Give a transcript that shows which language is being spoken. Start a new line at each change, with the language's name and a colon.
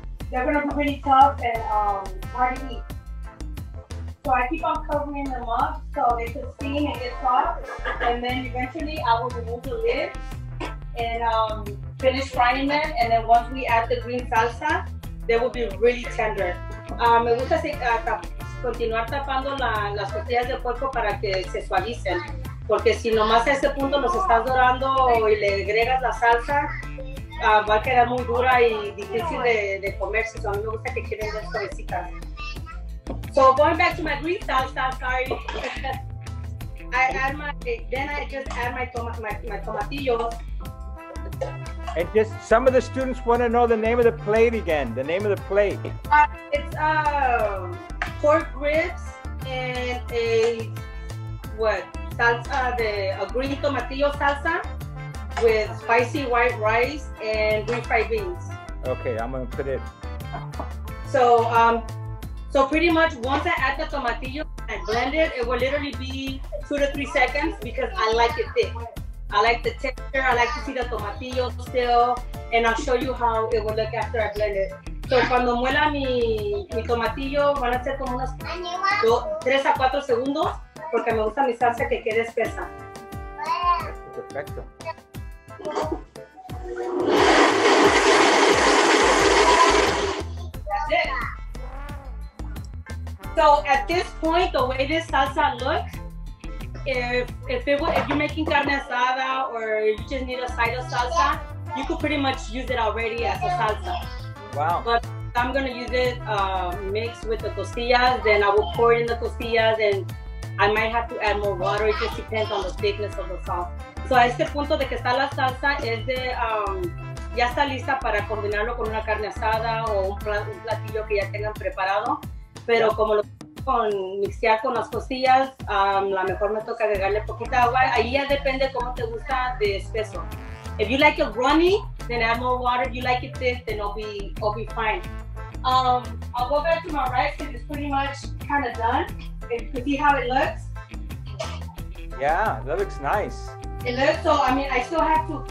English: They're gonna be really tough and hard to eat. So I keep on covering them up so they can steam and get soft. And then eventually I will remove the lid and finish frying them. And then once we add the green salsa, they will be really tender.
Spanish: Me gusta continuar tapando las costillas de puerco para que se suavicen. Porque si nomás a este punto los estás dorando y le agregas la salsa, va a quedar muy dura y difícil de comerse. So a mí me gusta que queden dos suavecitas.
English: So going back to my green salsa, sorry. I just add my tomatillo. And just some of the students want to know the name of the plate again. The name of the plate. It's pork ribs and a what? Salsa de green tomatillo salsa with spicy white rice and refried beans. Okay, I'm gonna put it. So pretty much once I add the tomatillo and blend it, it will literally be 2 to 3 seconds because I like it thick. I like the texture, I like to see the tomatillo still, and I'll show you how it will look after I blend it.
Spanish: So cuando muela mi tomatillo, van a ser como unos 3 a 4 segundos, porque me gusta mi salsa que quede espesa. Perfecto.
English: So at this point, the way this salsa looks, if you're making carne asada or you just need a side of salsa, you could pretty much use it already as a salsa. Wow. But I'm going to use it mixed with the costillas, then I will pour it in the costillas, and I might have to add more water. It just depends on the thickness of the sauce.
Spanish: So a este punto de que está la salsa, es de ya está lista para combinarlo con una carne asada o un platillo que ya tengan preparado. Pero como lo con mixear con las costillas, la mejor me toca agregarle poquita agua. Ahí ya depende cómo te gusta de espeso.
English: If you like it runny, then add more water. If you like it thick, then I'll be fine. I'll go back to my rice because it's pretty much kind of done. You can see how it looks. Yeah, that looks nice. It looks so. I mean, I still have to.